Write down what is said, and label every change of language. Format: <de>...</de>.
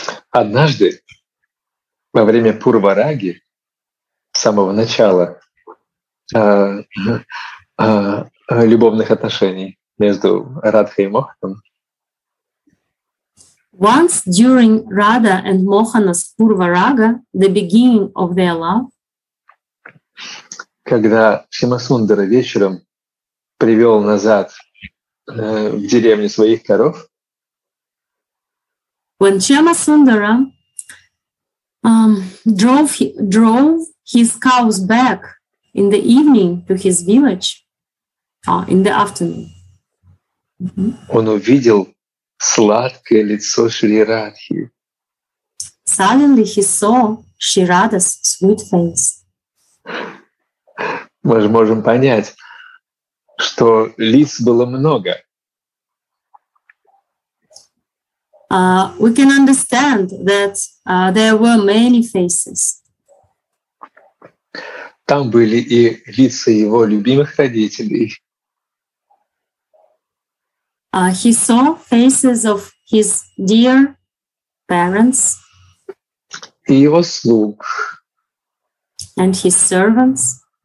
<ru>Однажды во время Пурвараги, с самого начала любовных отношений между Радхой и Моханом.</ru> <en>Once during Radha and Mohana's Purvaraga, the beginning of their love,</en> <ru>когда Шимасундара вечером привел назад в деревню своих коров,</ru> <en>when Shyamasundara drove his cows back in the evening to his village, in the afternoon,</en> <ru>он увидел сладкое лицо Шри Радхи.</ru> <en>Suddenly he saw Shri Radha's sweet face.</en> <ru>Мы же можем понять, что лиц было много.</ru> <en>We can understand that there were many faces.</en> <ru>Там были и лица его любимых родителей.</ru> <en>He saw faces of his dear parents.</en> <ru>И его слуг.</ru> <en>And his servants.</en>